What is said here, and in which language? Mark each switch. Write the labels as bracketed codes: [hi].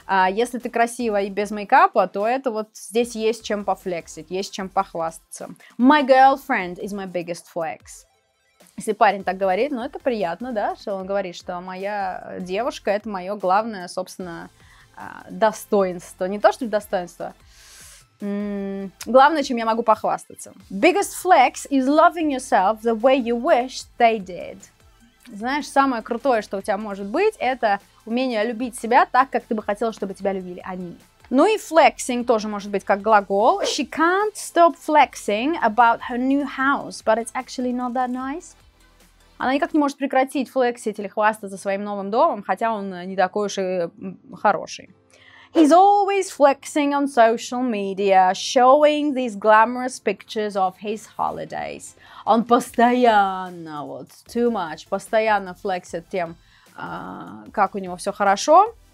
[ru] Если ты красивая и без мейкапа, то это вот здесь есть чем пофлексить, есть чем похвастаться. [en] My girlfriend is my biggest flex. [ru] Если парень так говорит, ну это приятно, да, что он говорит, что моя девушка — это мое главное, собственно, достоинство. Не то, что достоинство, главное, чем я могу похвастаться. [en] Biggest flex is loving yourself the way you wish they did. [ru] Знаешь, самое крутое, что у тебя может быть, это умение любить себя так, как ты бы хотела, чтобы тебя любили они. Ну и flexing тоже может быть как глагол. [en] She can't stop flexing about her new house, but it's actually not that nice. [ru] Она никак не может прекратить флексить или хвастаться своим новым домом, хотя он не такой уж и хороший. [en] He's always flexing on social media, showing these glamorous pictures of his holidays. [ru] Он постоянно, вот, [en] too much, [ru] постоянно флексит тем, как у него все хорошо.